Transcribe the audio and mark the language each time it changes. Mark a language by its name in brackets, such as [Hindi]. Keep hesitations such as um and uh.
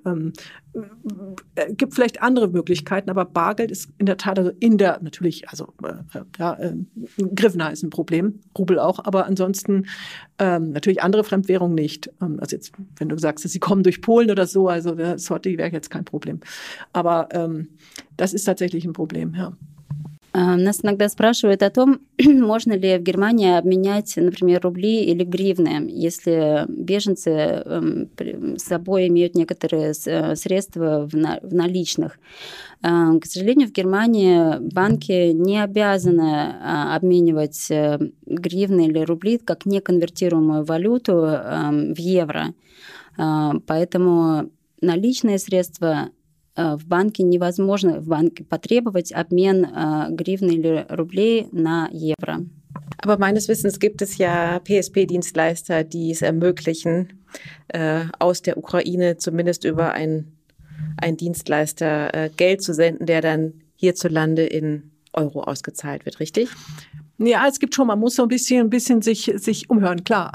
[German] Ähm, äh, gibt vielleicht andere Möglichkeiten, aber Bargeld ist in der Tat, also in der, natürlich, also äh, ja, äh, Grivna ist ein Problem, Rubel auch, aber ansonsten ähm, natürlich andere Fremdwährungen nicht. Ähm, also jetzt, wenn du sagst, sie kommen durch Polen oder so, also Sorti wäre jetzt kein Problem. Aber das ist tatsächlich ein Problem, ja. [Russian] Нас иногда спрашивают о том, можно ли в Германии обменять, например, рубли или гривны, если беженцы с собой имеют некоторые средства в наличных. К сожалению, в Германии банки не обязаны обменивать гривны или рубли как неконвертируемую валюту в евро. Поэтому наличные средства в банке невозможно в банке потребовать обмен äh, гривны или рублей на евро. [German] Aber meines Wissens gibt es ja PSP-Dienstleister, die es ermöglichen, äh, aus der Ukraine zumindest über einen, einen Dienstleister äh, Geld zu senden, der dann hierzulande in Euro ausgezahlt wird, richtig? Ja, es gibt schon, man muss so ein bisschen, ein bisschen sich, sich umhören, klar.